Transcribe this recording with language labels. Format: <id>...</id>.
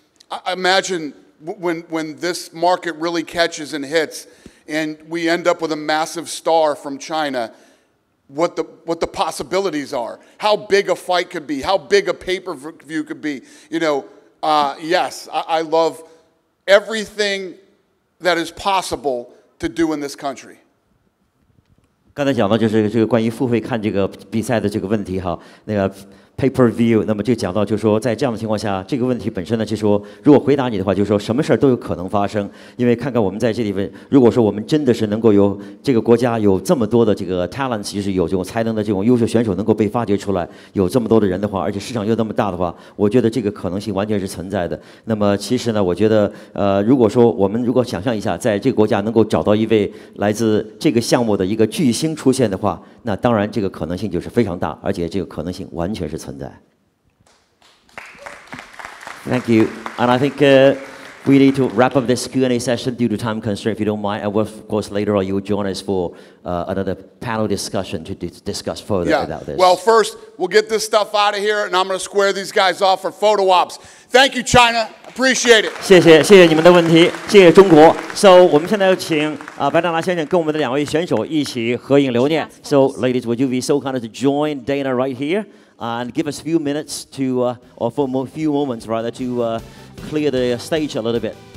<en>I imagine when this market really catches and hits,and we end up with a massive star from China, what the possibilities are, how big a fight could be, how big a pay-per-view could be. You know, yes, I love everything that is possible to do in this country.</en> <zh>刚才讲到就是这个关于付费看这个比赛的这个问题哈，那个 pay-per-view， 那么就讲到就是说在这样的情况下，这个问题本身呢，就是说如果回答你的话，就是说什么事都有可能发生。因为看看我们在这里面，如果说我们真的是能够有这个国家有这么多的这个 talent， 其实有这种才能的这种优秀选手能够被发掘出来，有这么多的人的话，而且市场又那么大的话，我觉得这个可能性完全是存在的。那么其实呢，我觉得如果说我们如果想象一下，在这个国家能够找到一位来自这个项目的一个巨星出现的话，那当然这个可能性就是非常大，而且这个可能性完全是存在。</zh> <en>Thank you. And I think we need to wrap up this Q&A session due to time constraint, if you don't mind. And of course, later on, you will join us for another panel discussion to discuss further about this. Well, first, we'll get this stuff out of here, and I'm going to square these guys off for photo ops. Thank you, China. Appreciate it.</en> <zh>谢谢你们的问题，谢谢中国。So, 我们现在要请白大拿先生跟我们的两位选手一起合影留念。</zh> <en>So, ladies, would you be so kind as to join Dana right here and give us a few minutes to, or for a few moments rather, to clear the stage a little bit.</en>